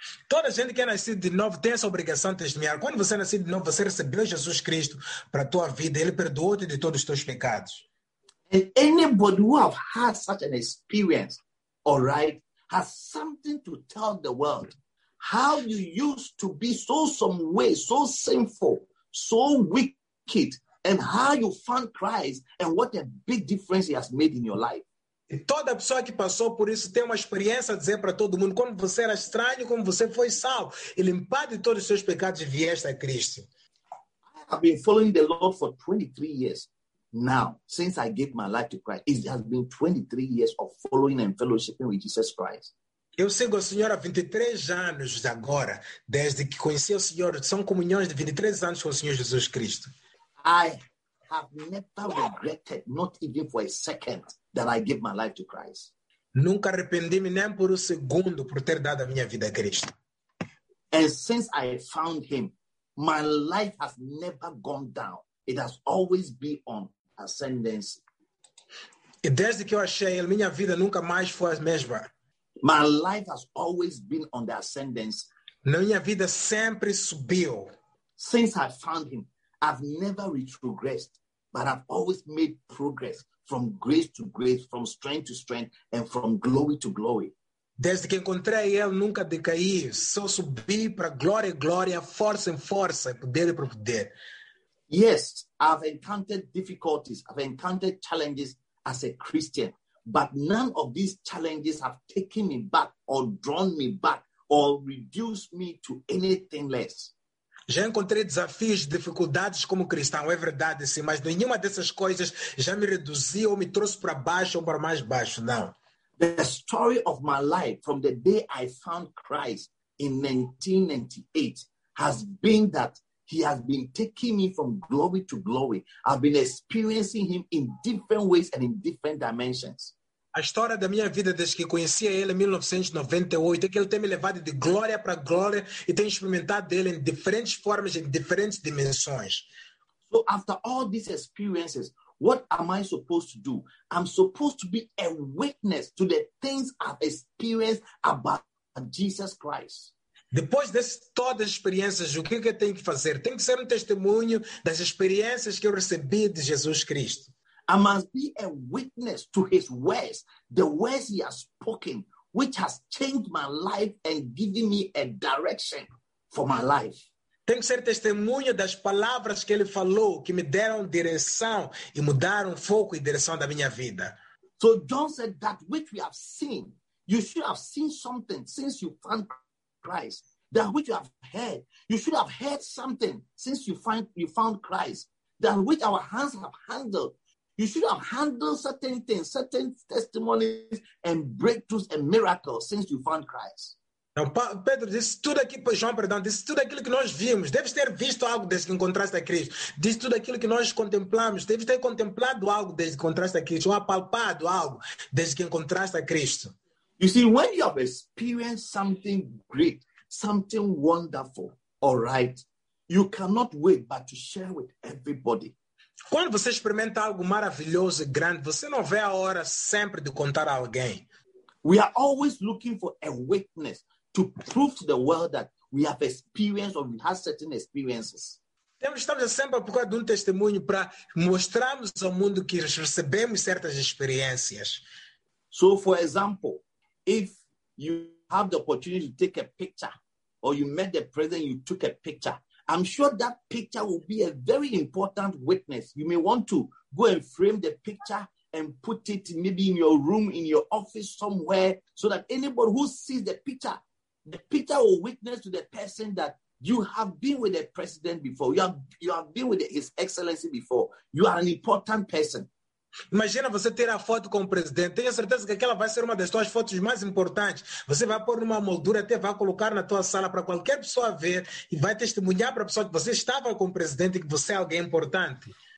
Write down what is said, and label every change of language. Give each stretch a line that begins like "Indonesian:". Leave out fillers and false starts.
Portuguese: Toda gente que nasceu de novo tem essa obrigação de testemunhar. Quando você nasceu de novo, você recebeu Jesus Cristo para a tua vida. Ele perdoou-te de todos os teus pecados.
English: And anybody who have had such an experience, all right, has something to tell the world. How you used to be so some way, so sinful, so wicked, and how you found Christ, and what a big difference he has made in your life.
Portuguese: E toda pessoa que passou por isso tem uma experiência a dizer para todo mundo quando você era estranho, como você foi salvo e limpado de todos os seus pecados e vieste a Cristo.
English: I have been following the Lord for 23 years now, since I gave my life to Christ. It has been 23 years of following and fellowshipping with Jesus Christ.
Portuguese: Eu sigo o Senhor há 23 anos agora, desde que conheci o Senhor. São comunhões de 23 anos com o Senhor Jesus Cristo.
English: I have never regretted, not even for a second, that I gave my life to Christ.
Portuguese: Nunca arrependi-me nem por um segundo por ter dado a minha vida a Cristo.
English: And since I found him, my life has never gone down. It has always been on ascendancy.
Portuguese: E desde que eu achei ele, minha vida nunca mais foi a mesma.
English: My life has always been on the ascendancy.
Portuguese: Na minha vida sempre subiu.
English: Since I found him, I've never retrogressed, but I've always made progress from grace to grace, from strength to strength, and from glory to glory.
Portuguese: Desde que encontrei ele, nunca decaí, só subi para glória e glória, força em força, poder e poder.
English: Yes, I've encountered difficulties, I've encountered challenges as a Christian, but none of these challenges have taken me back or drawn me back or reduced me to anything less.
Portuguese: Já encontrei desafios, dificuldades como cristão, é verdade, sim, mas nenhuma dessas coisas já me reduziu ou me trouxe para baixo ou para mais baixo, não.
English: The story of my life from the day I found Christ in 1998 has been that he has been taking me from glory to glory. I've been experiencing him in different ways and in different dimensions.
Portuguese: A história da minha vida desde que conheci a ele em 1998 é que ele tem me levado de glória para glória e tem experimentado dele em diferentes formas, em diferentes dimensões.
English: So after all these experiences, what am I supposed to do? I'm supposed to be a witness to the things I've experienced about Jesus Christ.
Portuguese: Depois dessas todas as experiências, o que eu tenho que fazer? Tenho que ser um testemunho das experiências que eu recebi de Jesus Cristo.
English: I must be a witness to his words, the words he has spoken, which has changed my life and given me a direction for my life.
Portuguese: Tenho que ser testemunha das palavras que ele falou, que me deram direção e mudaram foco e direção da minha vida.
English: So John said that which we have seen, you should have seen something since you found Christ. That which you have heard, you should have heard something since you found Christ. That which our hands have handled, you should have handled certain things, certain testimonies and breakthroughs and miracles since you found Christ.
Portuguese: Então, Pedro disse tudo aqui, João, perdão, disse tudo aquilo que nós vimos. Deves ter visto algo desde que encontraste a Cristo. Diz tudo aquilo que nós contemplamos. Deves ter contemplado algo desde que encontraste a Cristo. Ou apalpado algo desde que encontraste a Cristo.
English: You see, when you have experienced something great, something wonderful, all right, you cannot wait but to share with everybody.
Portuguese: Quando você experimenta algo maravilhoso e grande, você não vê a hora sempre de contar a alguém.
English: We are always looking for a witness to prove to the world that we have experienced or we have certain experiences.
Portuguese: Estamos sempre à procura de um testemunho para mostrarmos ao mundo que recebemos certas experiências.
English: So, for example, if you have the opportunity to take a picture, or you met the president, you took a picture, I'm sure that picture will be a very important witness. You may want to go and frame the picture and put it maybe in your room, in your office somewhere, so that anybody who sees the picture will witness to the person that you have been with the president before. You have been with His Excellency before. You are an important person.
Portuguese: Imagina você ter a foto com o presidente. Tenho certeza que aquela vai ser uma das suas fotos mais importantes. Você vai pôr numa moldura, até vai colocar na tua sala para qualquer pessoa ver e vai testemunhar para a pessoa que você estava com o presidente e que você é alguém importante.